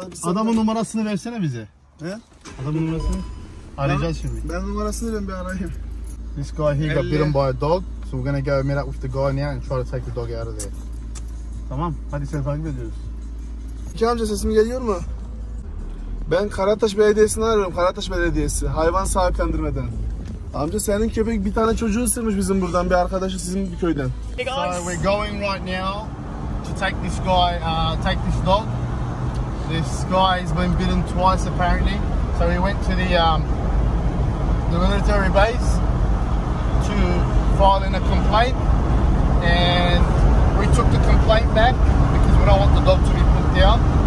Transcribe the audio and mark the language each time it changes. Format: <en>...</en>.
<tr>Adamın numarasını versene bize. Adamın numarasını. Arayacağız şimdi. Ben numarasını verim, bir arayayım.</tr> <en>This guy here got bitten by a dog. So we're going to go meet up with the guy now and try to take the dog out of there.</en> <tr>Tamam. Hadi seni takip ediyoruz. İki amca sesim geliyor mu? Ben Karataş Belediyesi'ni arıyorum. Karataş Belediyesi. Hayvan sahiplendirmeden. Amca senin köpek bir tane çocuğu ısırmış bizim buradan. Bir arkadaşı sizin bir köyden.</tr> <en>So we're going right now to take this guy, take this dog. This guy has been bitten twice apparently. So we went to the military base to file in a complaint. And we took the complaint back because we don't want the dog to be put down.</en>